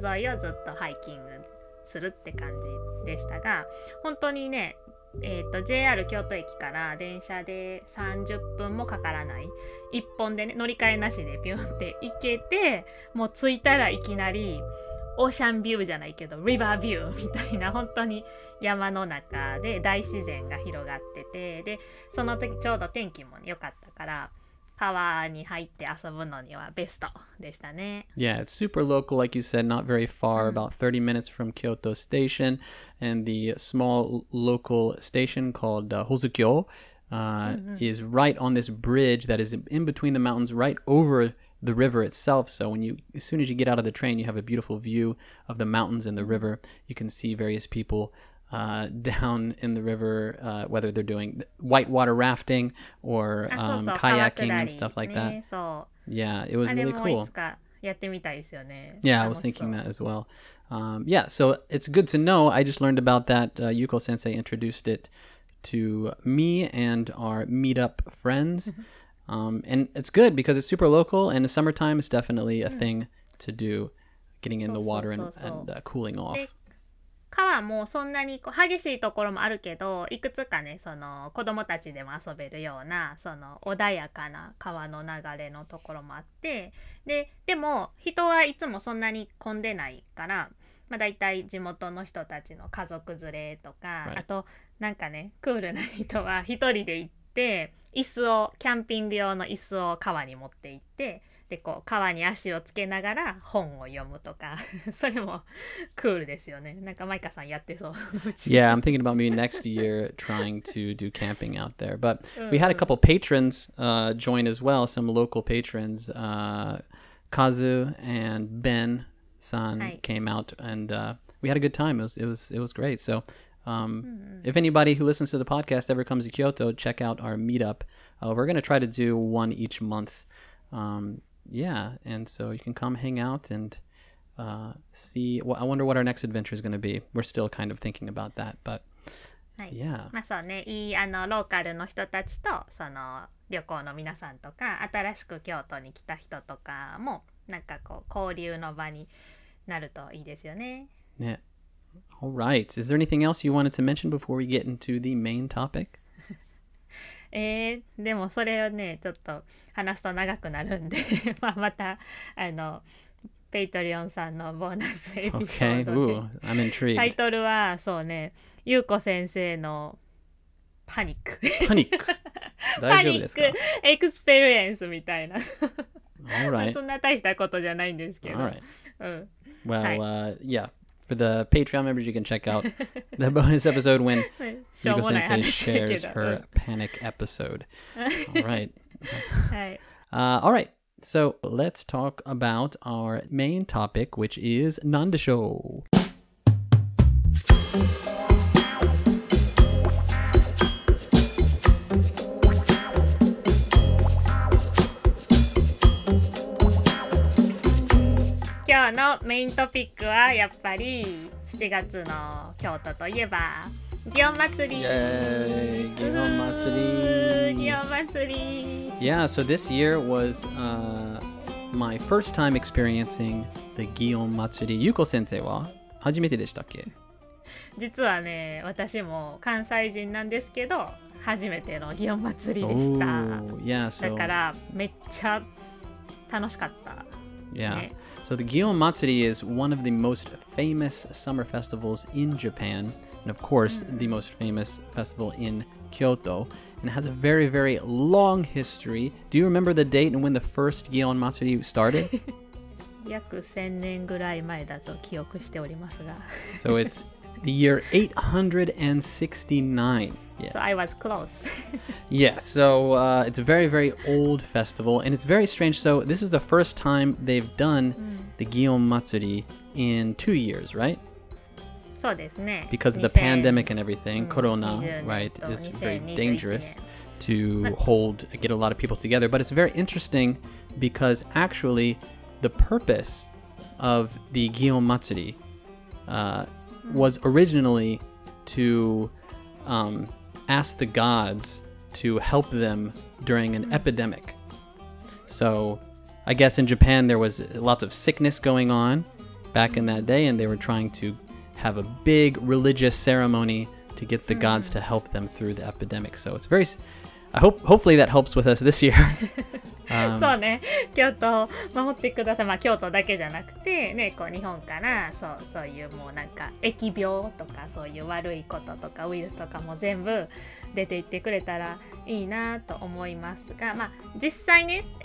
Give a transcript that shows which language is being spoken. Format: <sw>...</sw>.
<ja>川沿いをずっとハイキングするって感じでしたが、本当にね、JR 京都駅から電車で30分もかからない一本でね乗り換えなしでピュンって行けて、もう着いたらいきなりオーシャンビューじゃないけどリバービューみたいな、本当に山の中で大自然が広がってて、でその時ちょうど天気も良かったから川に入って遊ぶのにはベストでしたね。</ja> <en>Yeah, it's super local, like you said, not very far, about 30 minutes from Kyoto Station, and the small local station called、Hozukyo、is right on this bridge that is in between the mountains, right overthe river itself. So when you, as soon as you get out of the train, you have a beautiful view of the mountains and the river. You can see various people、down in the river,、whether they're doing whitewater rafting or、kayaking and stuff like that.、ね、 yeah, it was really cool. Yeah, I was thinking that as well.、yeah, so it's good to know. I just learned about that.、Yuko-sensei introduced it to me and our meetup friends. And it's good because it's super local, and the summertime is definitely a thing to do, getting in the water and cooling off.</en> <ja>川もそんなにこう激しいところもあるけど、いくつかね、その子供たちでも遊べるようなその穏やかな川の流れのところもあって、でも人はいつもそんなに混んでないから、まあ、だいたい地元の人たちの家族連れとか、</ja> <en>right.</en> <ja>あとなんかね、クールな人は一人で行って、で椅子をキャンピング用の椅子を川に持って行って、でこう川に足をつけながら本を読むとか、それもクールですよね。なんかマイカさんやってそう。</ja> <en>Yeah, I'm thinking about maybe next year trying to do camping out there. But we had a couple patrons、join as well, some local patrons.、Kazu and Ben-san、はい、came out and、we had a good time. It was great. So,if anybody who listens to the podcast ever comes to Kyoto, check out our meetup.、we're going to try to do one each month.、yeah, and so you can come hang out and、see. Well, I wonder what our next adventure is going to be. We're still kind of thinking about that, but、</en> <ja>はい、</ja> <en>yeah.</en> <ja>まあそうね、いいあのローカルの人たちとその旅行の皆さんとか、新しく京都に来た人とかもなんかこう交流の場になるといいですよね。</ja> <en>ね。All right. Is there anything else you wanted to mention before we get into the main topic?</en> <ja>でもそれをね、ちょっと話すと長くなるんで、まあまたあのペイトリオンさんのボーナスエピソードで。</ja> <en>Okay. Ooh, I'm intrigued.</en> <ja>タイトルはそうね、ゆうこ先生のパニック。パニック。大丈夫ですか？パニックエクスペリエンスみたいな。</ja> <en>All right.</en> <ja>そんな大したことじゃないんですけど。</ja> <en>All right. Well, yeah. For the Patreon members, you can check out the bonus episode when Yuko-sensei shares her panic episode. All right. all right. So let's talk about our main topic, which is Nandesho.</en> <ja>のメイントピックはやっぱり7月の京都といえば祇園祭り。祇園祭り。祇園祭り。</ja> <en>Yeah, so this year was my first time experiencing the 祇園祭り。</en> <ja>ゆうこ先生は初めてでしたっけ？実はね、私も関西人なんですけど初めての祇園祭りでした。</ja> <en>Yeah, so...</en> <ja>だからめっちゃ楽しかった。</ja> <en>Yeah.、ね、So the Gion Matsuri is one of the most famous summer festivals in Japan, and of course、mm-hmm. the most famous festival in Kyoto, and it has a very, very long history. Do you remember the date and when the first Gion Matsuri started?</en> <ja>約1000年ぐらい前だと記憶しておりますが。</ja> <en>So it's the year 869. Yes. So I was close. Yeah, so it's a very, very old festival. And it's very strange. So this is the first time they've done the Gion Matsuri in 2 years, right? So, because of the pandemic and everything, Corona, right, is very dangerous to hold, get a lot of people together. But it's very interesting because actually the purpose of the Gion Matsuri was originally to ask the gods to help them during an epidemic. So I guess in Japan there was lots of sickness going on back in that day, and they were trying to. Have a big religious ceremony to get the gods to help them through the epidemic. So it's very, I hope, hopefully that helps with us this year.</en> <ja>そうね、京都を守ってください。まあ京都だけじゃなくて、ね、こう日本からそう、そういうもうなんか疫病とかそういう悪いこととかウイルスとかも全部出ていってくれたらいいなと思いますが、まあ実際ね、</ja>